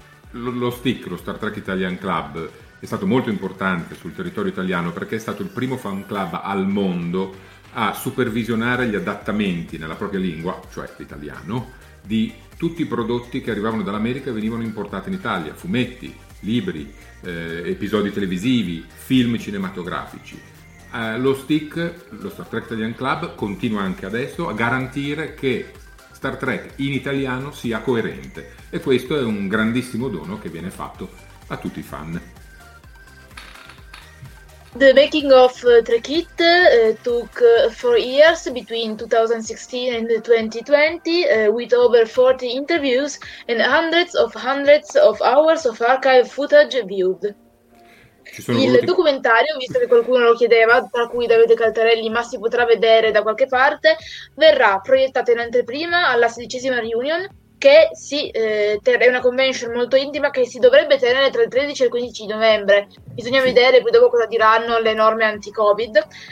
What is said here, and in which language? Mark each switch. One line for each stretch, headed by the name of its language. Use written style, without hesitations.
Italian: lo STIC, lo Star Trek Italian Club, è stato molto importante sul territorio italiano, perché è stato il primo fan club al mondo a supervisionare gli adattamenti nella propria lingua, cioè l'italiano, di tutti i prodotti che arrivavano dall'America e venivano importati in Italia: fumetti, libri, episodi televisivi, film cinematografici. Lo STIC, lo Star Trek Italian Club, continua anche adesso a garantire che Star Trek in italiano sia coerente, e questo è un grandissimo dono che viene fatto a tutti i fan.
English: The making of Trek It took 4 years between 2016 and 2020 with over 40 interviews and hundreds of hours of archive footage viewed.
Italian: Documentario, visto che qualcuno lo chiedeva, tra cui Davide Caltarelli, ma si potrà vedere da qualche parte, verrà proiettato in anteprima alla 16ª reunion, che è una convention molto intima che si dovrebbe tenere tra il 13 e il 15 novembre. Bisogna vedere poi dopo cosa diranno le norme anti-Covid.